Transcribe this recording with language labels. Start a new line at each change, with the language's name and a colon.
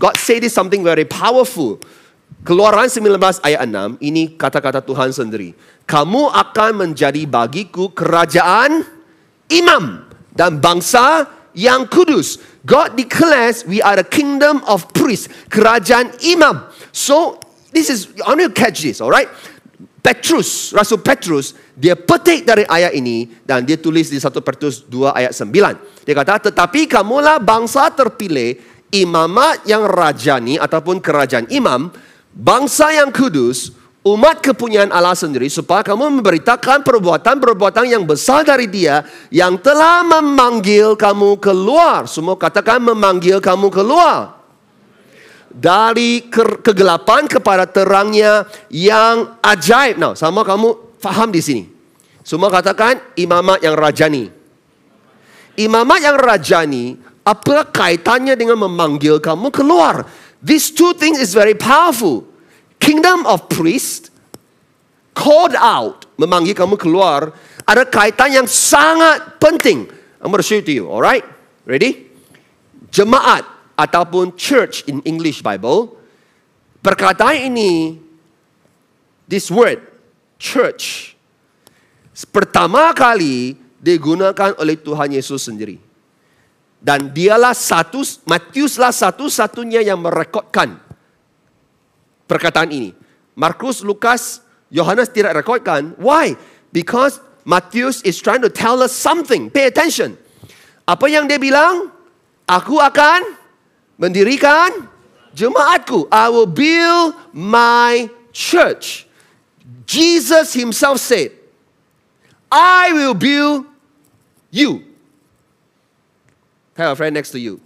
English: God say this something very powerful.
Malay: Keluaran 19 ayat 6, ini kata-kata Tuhan sendiri. Kamu akan menjadi bagiku kerajaan imam dan bangsa yang kudus.
English: God declares we are a kingdom of priests,
Malay: kerajaan imam.
English: So, this is, I want to catch this, alright?
Malay: Petrus, Rasul Petrus, dia petik dari ayat ini dan dia tulis di 1 Petrus 2 ayat 9. Dia kata, tetapi kamulah bangsa terpilih, imamat yang rajani ataupun kerajaan imam, bangsa yang kudus, umat kepunyaan Allah sendiri, supaya kamu memberitakan perbuatan-perbuatan yang besar dari dia yang telah memanggil kamu keluar. Semua katakan memanggil kamu keluar. Dari kegelapan kepada terangnya yang ajaib. Nah, sama kamu faham di sini. Semua katakan imamat yang rajani. Imamat yang rajani, apa kaitannya dengan memanggil kamu keluar?
English: These two things is very powerful. Kingdom of priests, called out,
Malay: memanggil kamu keluar, ada kaitan yang sangat penting.
English: I'm going to show it to you, alright?
Malay: Ready? Jemaat, ataupun
English: church in English Bible,
Malay: perkataan ini,
English: this word, church,
Malay: pertama kali digunakan oleh Tuhan Yesus sendiri. Dan dialah satu, Matiuslah satu-satunya yang merekodkan perkataan ini. Markus, Lukas, Yohanes tidak rekodkan.
English: Why? Because Matthew is trying to tell us something. Pay attention.
Malay: Apa yang dia bilang? Aku akan mendirikan jemaatku.
English: I will build my church. Jesus himself said, I will build you. Tell your friend next to you.